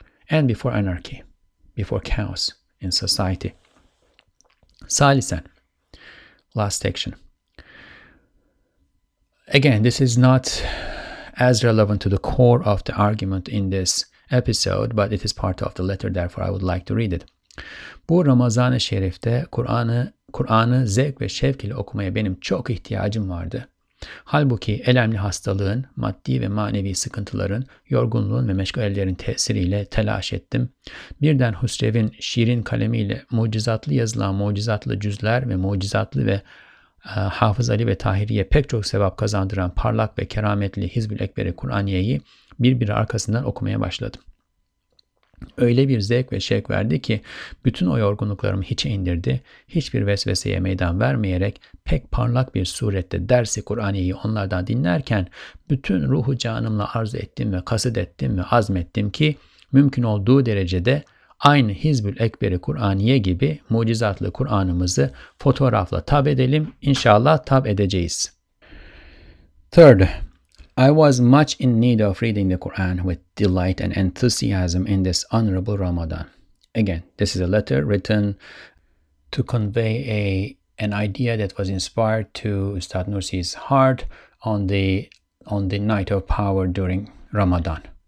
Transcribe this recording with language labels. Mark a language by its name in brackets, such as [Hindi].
[English] And before anarchy, before chaos in society. Salisen, last section. Again, this is not as relevant to the core of the argument in this episode, but it is part of the letter, therefore I would like to read it. [Turkish] Bu Ramazan-ı Şerif'te Kur'an'ı zevk ve şevk ile okumaya benim çok ihtiyacım vardı. Halbuki elemli hastalığın, maddi ve manevi sıkıntıların, yorgunluğun ve meşgalelerin tesiriyle telaş ettim. Birden Husrev'in şiirin kalemiyle mucizatlı yazılan mucizatlı cüzler ve mucizatlı ve Hafız Ali ve Tahiri'ye pek çok sevap kazandıran parlak ve kerametli Hizb-ül Ekber'i Kur'aniye'yi birbiri arkasından okumaya başladım. Öyle bir zevk ve şevk verdi ki bütün o yorgunluklarımı hiçe indirdi, hiçbir vesveseye meydan vermeyerek pek parlak bir surette dersi Kur'aniye'yi onlardan dinlerken bütün ruhu canımla arzu ettim ve kasıt ettim ve azmettim ki mümkün olduğu derecede aynı Hizb-ül Ekber-i Kur'aniye gibi mucizatlı Kur'an'ımızı fotoğrafla tab edelim. İnşallah tab edeceğiz. [English] Third, I was much in need of reading the Quran with delight and enthusiasm in this honorable Ramadan. Again, this is a letter written to convey an idea that was inspired to Ustad Nursi's heart on the night of power during Ramadan.